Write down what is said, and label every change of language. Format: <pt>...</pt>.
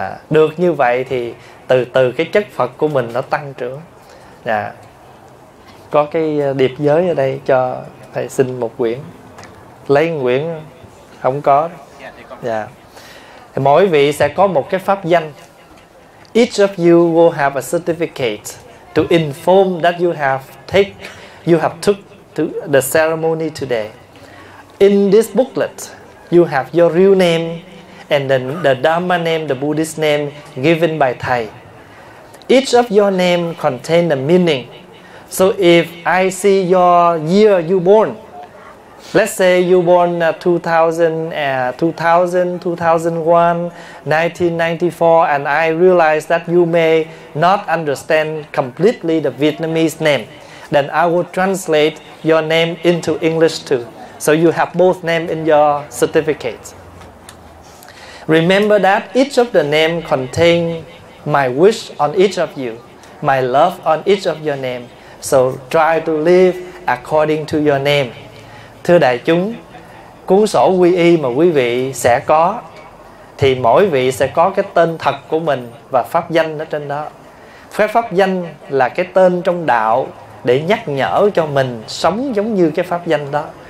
<vi>Được như vậy thì từ từ cái chất Phật của mình nó tăng trưởng. Có cái điệp giới ở đây cho thầy xin một quyển. Lấy một quyển không có. Mỗi vị sẽ có một cái pháp danh.</vi> <en>Each of you will have a certificate to inform that you have took to the ceremony today. In this booklet, you have your real name and then the Dharma name, the Buddhist name given by Thầy. Each of your name contain the meaning. So if I see your year you born, let's say you born 2000, 2001, 1994, and I realize that you may not understand completely the Vietnamese name, then I will translate your name into English too. So you have both names in your certificate. Remember that each of the names contain my wish on each of you, my love on each of your name. So try to live according to your name.</en> <vi>Thưa đại chúng, cuốn sổ quy y mà quý vị sẽ có thì mỗi vị sẽ có cái tên thật của mình và pháp danh ở trên đó. Pháp danh là cái tên trong đạo để nhắc nhở cho mình sống giống như cái pháp danh đó.</vi>